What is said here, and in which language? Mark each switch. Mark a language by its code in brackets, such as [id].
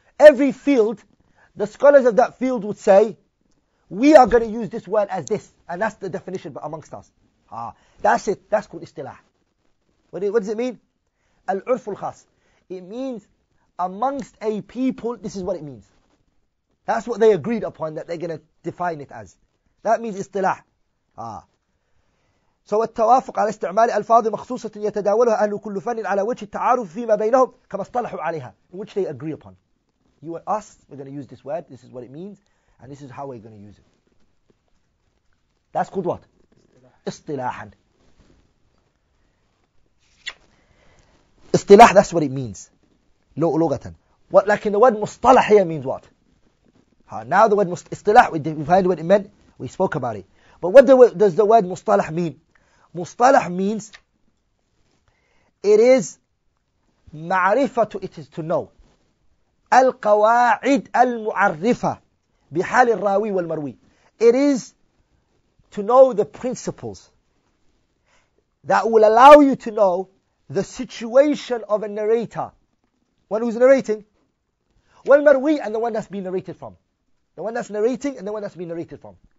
[en] Every field, the scholars of that field would say, we are going to use this word as this, and that's the definition amongst us. That's it, that's called istilah. What does it mean? [ar] العرف الخاص. [en] It means amongst a people, this is what it means. That's what they agreed upon, that they're going to define it as. That means istilah. [ar] سواء التوافق على استعمال الفاظ مخصوصة يتداولها أهل كل فن على وجه التعارف فيما بينهم كما اصطلحوا عليها, [en] which they agree upon. You and us, we're going to use this word, this is what it means, and this is how we're going to use it. That's called what? اصطلاحا. اصطلاح, that's what it means. لغة. What, like in the word مصطلح here means what? Now the word اصطلاح, we defined what it meant, we spoke about it. But what does the word مصطلح mean? مصطلح means it is معرفة, it is to know. [ar] القواعد المعرفة بحال الراوي والمروي. [en] It is to know the principles that will allow you to know the situation of a narrator. One who's narrating. والمروي and the one that's been narrated from. The one that's narrating and the one that's been narrated from.